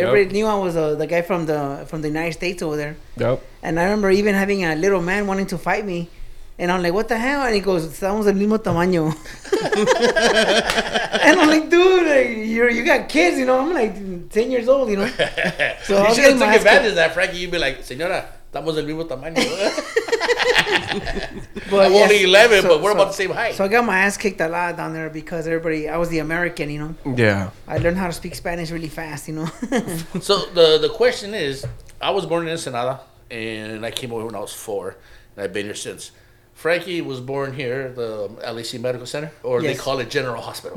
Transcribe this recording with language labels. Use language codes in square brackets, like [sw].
[en] Everybody knew I was the guy from the United States over there. Yep. And I remember even having a little man wanting to fight me, and I'm like, what the hell? And he goes, [es] estamos del mismo tamaño. [en] And I'm like, dude, like, you got kids, you know. I'm like 10 years old, you know. So you should have took advantage of that, Frankie. You'd be like, [es] señora, estamos del mismo tamaño. [en] But I'm only 11, about the same height. So I got my ass kicked a lot down there because I was the American, you know. Yeah. I learned how to speak Spanish really fast, you know. So the question is, I was born in Ensenada, and I came over when I was 4, and I've been here since. Frankie was born here, the LAC Medical Center, they call it General Hospital.